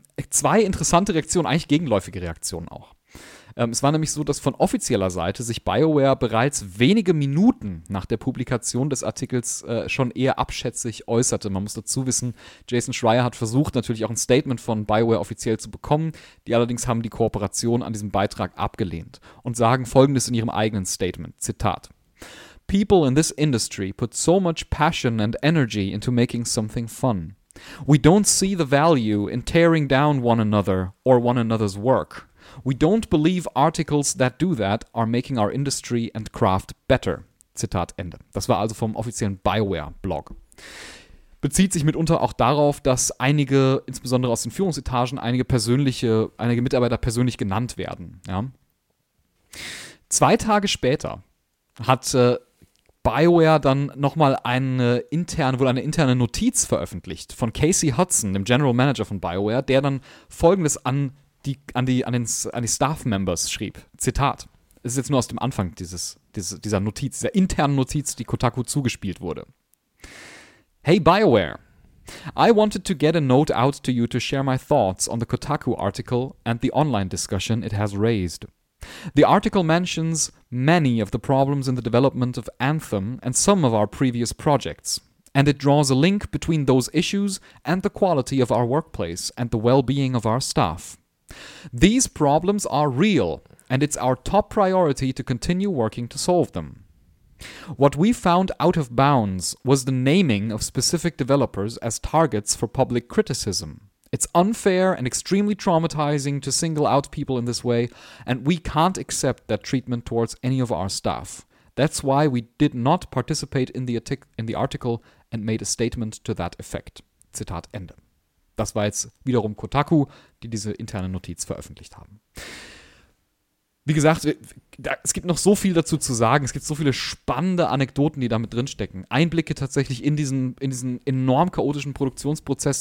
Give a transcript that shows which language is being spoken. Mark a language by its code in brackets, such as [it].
[de] Zwei interessante Reaktionen, eigentlich gegenläufige Reaktionen auch. Es war nämlich so, dass von offizieller Seite sich BioWare bereits wenige Minuten nach der Publikation des Artikels schon eher abschätzig äußerte. Man muss dazu wissen, Jason Schreier hat versucht, natürlich auch ein Statement von BioWare offiziell zu bekommen. Die allerdings haben die Kooperation an diesem Beitrag abgelehnt und sagen Folgendes in ihrem eigenen Statement. [en] Zitat: "People in this industry put so much passion and energy into making something fun. We don't see the value in tearing down one another or one another's work. We don't believe articles that do that are making our industry and craft better." [de] Zitat Ende. Das war also vom offiziellen BioWare-Blog. Bezieht sich mitunter auch darauf, dass einige, insbesondere aus den Führungsetagen, einige Mitarbeiter persönlich genannt werden. Ja. Zwei Tage später hat BioWare dann nochmal eine interne Notiz veröffentlicht von Casey Hudson, dem General Manager von BioWare, der dann Folgendes an die Staff-Members schrieb. Zitat. Es ist jetzt nur aus dem Anfang dieser internen Notiz, die Kotaku zugespielt wurde. [en] "Hey BioWare, I wanted to get a note out to you to share my thoughts on the Kotaku article and the online discussion it has raised. The article mentions many of the problems in the development of Anthem and some of our previous projects, and it draws a link between those issues and the quality of our workplace and the well-being of our staff. These problems are real, and it's our top priority to continue working to solve them. What we found out of bounds was the naming of specific developers as targets for public criticism. It's unfair and extremely traumatizing to single out people in this way, and we can't accept that treatment towards any of our staff. That's why we did not participate in the article and made a statement to that effect." [de] Zitat Ende. Das war jetzt wiederum Kotaku, die diese interne Notiz veröffentlicht haben. Wie gesagt, es gibt noch so viel dazu zu sagen. Es gibt so viele spannende Anekdoten, die damit drinstecken. Einblicke tatsächlich in diesen enorm chaotischen Produktionsprozess.